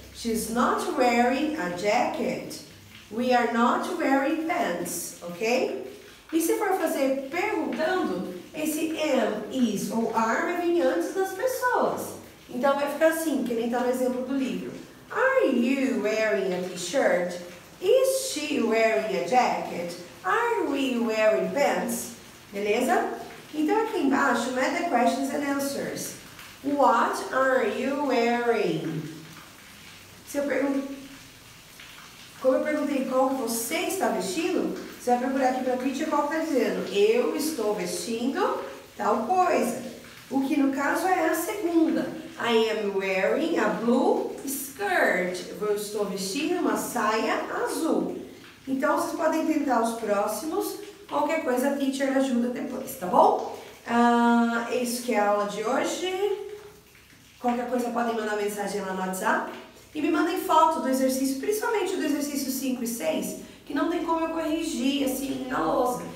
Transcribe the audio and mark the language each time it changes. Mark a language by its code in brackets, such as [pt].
[en] She's not wearing a jacket. We are not wearing pants, ok? [pt] E se for fazer perguntando, esse am, is ou are vai vir antes das pessoas. Então, vai ficar assim, que nem está no exemplo do livro. [en] Are you wearing a t-shirt? Is she wearing a jacket? Are we wearing pants? [pt] Beleza? Então, aqui embaixo, meta [en] questions and answers. What are you wearing? [pt] Se eu pergunto, como eu perguntei qual você está vestindo, você vai procurar aqui para a teacher qual está dizendo. Eu estou vestindo tal coisa. O que no caso é a segunda. [en] I am wearing a blue skirt. [pt] Eu estou vestindo uma saia azul. Então, vocês podem tentar os próximos. Qualquer coisa, a teacher ajuda depois, tá bom? Isso que é a aula de hoje. Qualquer coisa, podem mandar mensagem lá no WhatsApp. E me mandem foto do exercício, principalmente do exercício 5 e 6, que não tem como eu corrigir, assim, na lousa.